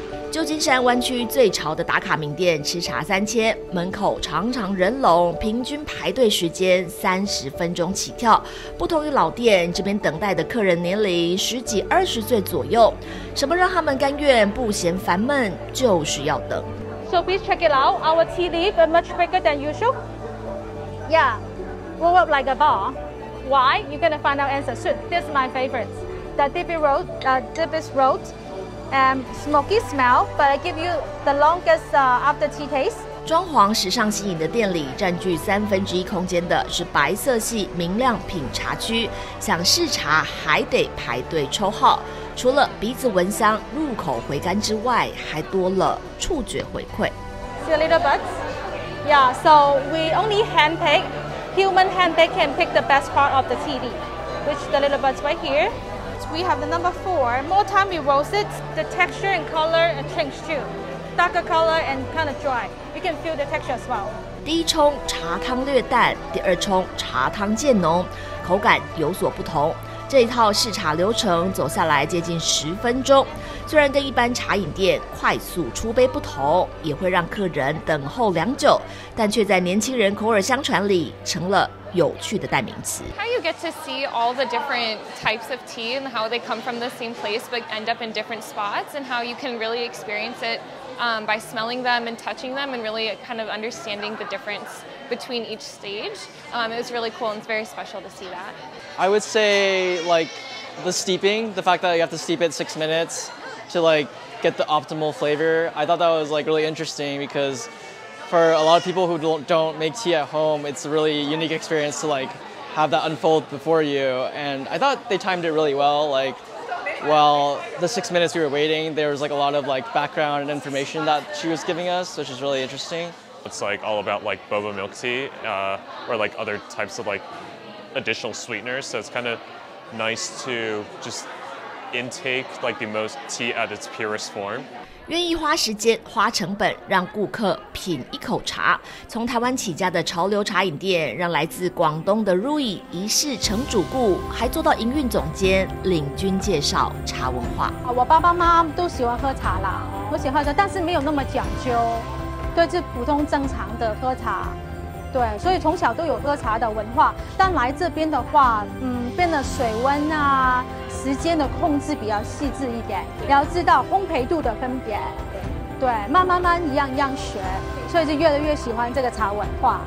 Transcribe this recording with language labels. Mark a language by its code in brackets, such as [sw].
[zh] 旧金山湾区最潮的打卡名店吃茶三千，门口常常人龙，平均排队时间30分钟起跳。不同于老店，这边等待的客人年龄10几20岁左右。什么让他们甘愿不嫌烦闷，就是要等。 [en] So please check it out. Our tea leaf is much quicker than usual. Yeah, roll up like a ball. Why? You're gonna find out answer soon. This is my favorite. The deepest roast. And smoky smell, but I give you the longest after tea taste. [zh] 装潢时尚新颖的店里，占据1/3空间的是白色系明亮品茶区。想试茶还得排队抽号。除了鼻子闻香、入口回甘之外，还多了触觉回馈。 [en] See a little bit? Yeah. So we only hand pick. Human hand pick can pick the best part of the tea leaf, which is the little bit right here. We have the number 4. More time we roast it, the texture and color change too. Darker color and kind of dry. You can feel the texture as well. [zh] 第一冲茶汤略淡，第二冲茶汤渐浓，口感有所不同。这一套试茶流程走下来接近10分钟，虽然跟一般茶饮店快速出杯不同，也会让客人等候良久，但却在年轻人口耳相传里成了有趣的代名词。 [en] How you get to see all the different types of tea and how they come from the same place but end up in different spots and how you can really experience it、by smelling them and touching them and really kind of understanding the difference between each stage、it was really cool and it's very special to see that. I would say like the steeping, the fact that you have to steep it 6 minutes to like get the optimal flavor. I thought that was like really interesting because for a lot of people who don't make tea at home, it's a really unique experience to like have that unfold before you. And I thought they timed it really well. Like while the 6 minutes we were waiting, there was like a lot of like background and information that she was giving us, which is really interesting. It's like all about like boba milk tea、or like other types of like,additional sweeteners, so it's kind of nice to just intake like the most tea at its purest form. [zh] 愿意花时间花成本让顾客品一口茶，从台湾起家的潮流茶饮店让来自广东的 Rui 一试成主顾，还做到营运总监，领军介绍茶文化。我爸爸妈妈都喜欢喝茶啦，我喜欢喝茶，但是没有那么讲究，对，就普通正常的喝茶，对，所以从小都有喝茶的文化，但来这边的话，变得水温啊、时间的控制比较细致一点，要知道烘焙度的分别，对，慢慢一样一样学，所以就越来越喜欢这个茶文化。